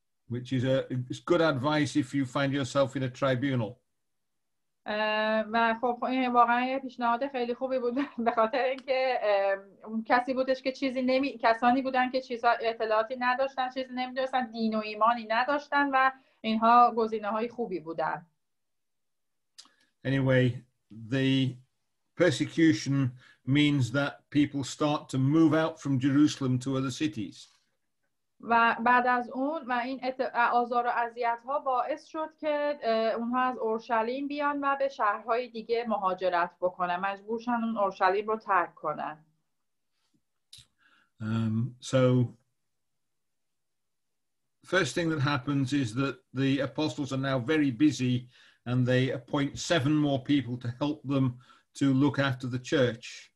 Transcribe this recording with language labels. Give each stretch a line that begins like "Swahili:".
English: Which is it's good advice if you find yourself in a tribunal.
Persian: و خب این واقعا یه پیشنهاد خیلی خوبی بود به خاطر اینکه کسی بودش که چیزی نمی کسانی بودن که چیزا اطلاعاتی نداشتن، چیزی نمیدونستن، دین و ایمانی نداشتن و اینها گزینه‌های خوبی بودن.
English: Anyway, the persecution means that people start to move out from Jerusalem to other cities.
Persian: و بعد از اون و این آزار و اذیت‌ها باعث شد که اونها از اورشلیم بیان و به شهرهای دیگه مهاجرت بکنن، مجبور شدن اون اورشلیم رو ترک کنن.
English: So first thing that happens is that the apostles are now very busy and they appoint 7 more people to help them to look after the church.